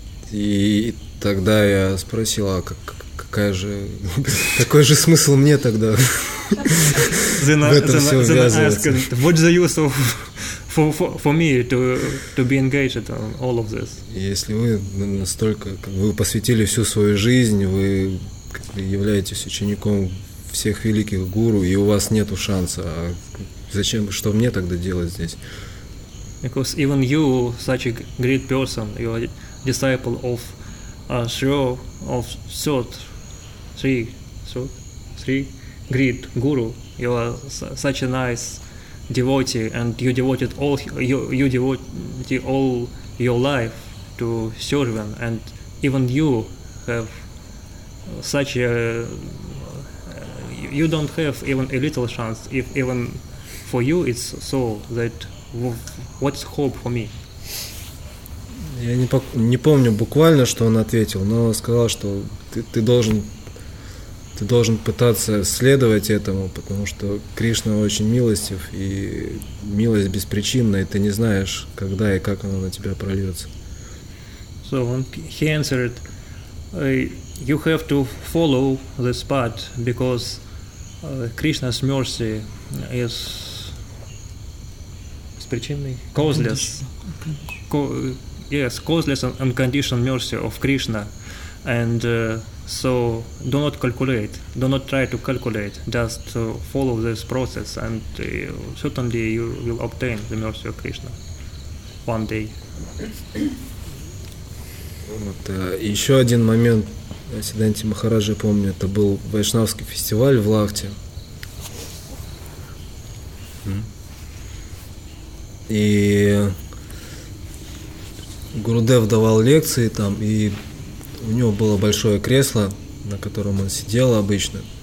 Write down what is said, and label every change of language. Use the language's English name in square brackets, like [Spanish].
[Russian] И тогда я спросил, а какая же, какой же смысл мне тогда в этом все ввязываться? [English] What's the use of for me to be engaged in all of this? [Russian] Если вы настолько, вы посвятили всю свою жизнь, вы являетесь учеником всех великих гуру, и у вас нету шанса, а зачем, что мне тогда делать здесь? [English] Because even you, such a great person, you are disciple of three great guru, you are such a nice devotee, and you devoted all you devote all your life to serving, and even you have such a you don't have even a little chance, if even for you it's so, that what's hope for me? [Russian] Я не помню буквально, что он ответил, но он сказал, что ты должен пытаться следовать этому, потому что Кришна очень милостив, и милость беспричинна, и ты не знаешь, когда и как она на тебя прольется. [English] So when he answered, you have to follow this path, because Krishna's mercy is беспричинный, causeless. Yes, causeless and unconditional mercy of Krishna, and so do not calculate, do not try to calculate, just follow this process, and certainly you will obtain the mercy of Krishna one day. [Russian] Вот еще один момент Сиддханти Махарадж, я помню, это был Вайшнавский фестиваль в Лахте. И Гурудев давал лекции там, и у него было большое кресло, на котором он сидел обычно.